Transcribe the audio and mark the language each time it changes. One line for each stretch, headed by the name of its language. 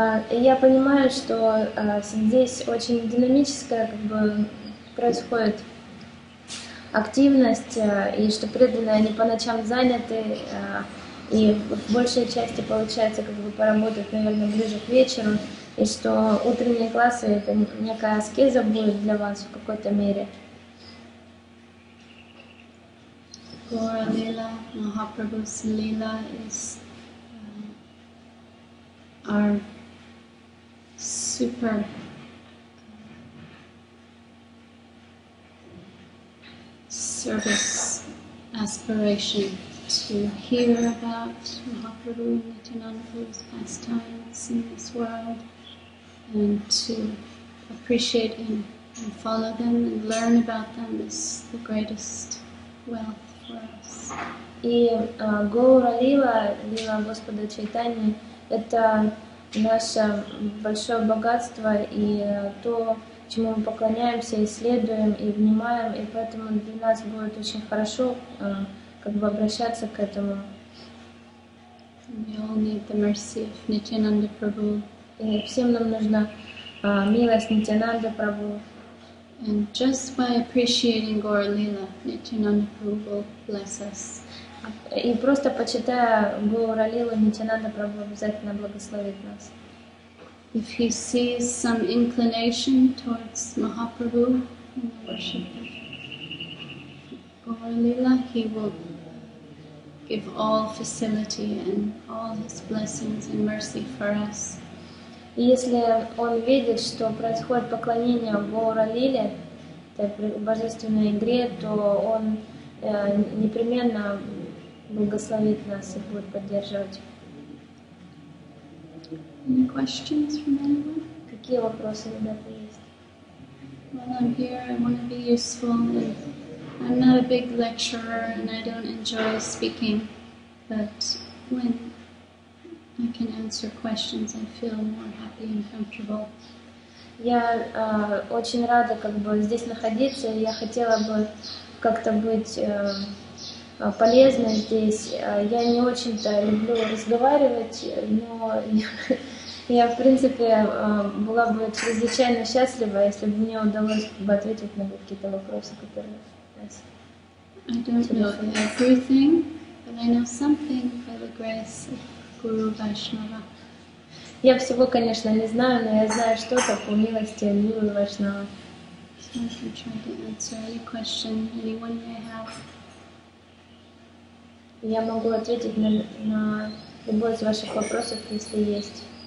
Russian: Я понимаю, что здесь очень динамическая как бы происходит активность, и что преданные они по ночам заняты, и в большей части получается как бы поработать, наверное, ближе к вечеру, и что утренние классы — это некая аскеза будет для вас в какой-то мере.
English: Gaura Lila, Mahaprabhu's Lila is our super service aspiration to hear about Mahaprabhu and Nityananda's pastimes in this world and to appreciate him and follow them and learn about them is the greatest wealth.
Russian: И Гоура Лила, Лила Господа Чайтани, это наше большое богатство и то, чему мы поклоняемся, исследуем и внимаем, и поэтому для нас будет очень хорошо как бы обращаться к этому.
English: We all need the mercy of Nityananda Prabhu.
Russian: И всем нам нужна милость Нитянанда Прабху.
English: And just by appreciating Gaura Lila, Nityananda Prabhu will bless us.
Russian: И просто почитая Гаура Лилу, Нитянанда Прабху обязательно благословит нас.
English: If he sees some inclination towards Mahaprabhu in the worship of Gaura Lila, he will give all facility and all his blessings and mercy for us.
Russian: Если он видит, что происходит поклонение Гаура Лиле, божественной игре, то он непременно благословит нас и будет поддерживать.
English: Any questions from anyone?
Russian: Какие вопросы, ребята, есть?
English: Well, I'm here, I want to be useful. I'm not a big lecturer and I don't enjoy speaking. But when I can answer questions, I feel more happy and comfortable.
Russian: Я очень рада как бы здесь находиться. Я хотела бы как-то быть полезно здесь. Я не очень-то люблю разговаривать, но я, в принципе, была бы чрезвычайно счастлива, если бы мне удалось бы ответить на какие-то вопросы, которые у вас.
English: I don't know everything, but I know something by the grace of Guru Vaishnava.
Russian: Я всего, конечно, не знаю, но я знаю что-то по милости Гуру Вайшнава.
English: So I can try to answer any question anyone may have.
Russian: Я могу ответить на любой из ваших вопросов, если есть.